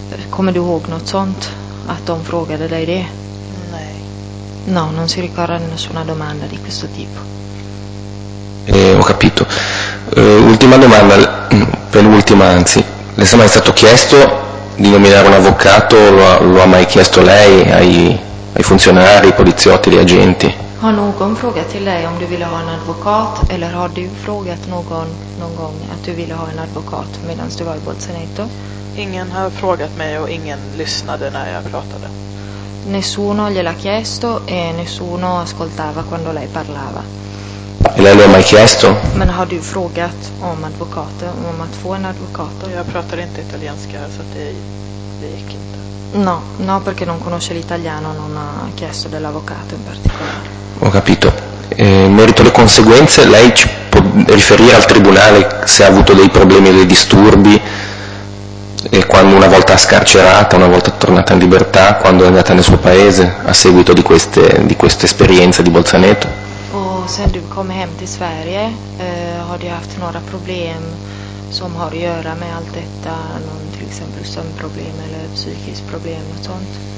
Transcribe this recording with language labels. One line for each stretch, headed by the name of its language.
Swedish: Kommer du ihåg något sånt att de frågade dig det? Nej.
Italian: No, non si ricorda nessuna domanda di questo tipo. Ho capito. Ultima domanda, per l'ultima anzi, le è mai stato chiesto di nominare un avvocato? Lo ha mai chiesto lei ai funzionari, ai poliziotti, agli agenti?
Swedish: Har någon frågat till dig om du ville ha en advokat eller har du frågat någon gång att du ville ha en advokat medan du var i Bolzaneto? Ingen har frågat mig och ingen lyssnade när jag pratade.
Italian: Nessuno gliel'ha chiesto e nessuno ascoltava quando lei parlava. E lei lo ha mai chiesto?
Swedish: Men har du frågat om advokater, om att få en advokat? Jag pratade inte italienska så att det gick inte.
Italian: No, perché non conosce l'italiano, non ha chiesto dell'avvocato in particolare. Ho capito. In merito alle conseguenze, lei ci può riferire al tribunale se ha avuto dei problemi o dei disturbi e quando una volta scarcerata, una volta tornata in libertà, quando è andata nel suo paese a seguito di questa esperienza di Bolzaneto?
Swedish: O se du kommer hem till Sverige, har du haft några problem som har att göra med allt detta, till exempel sömnproblem eller psykiskt problem och sånt?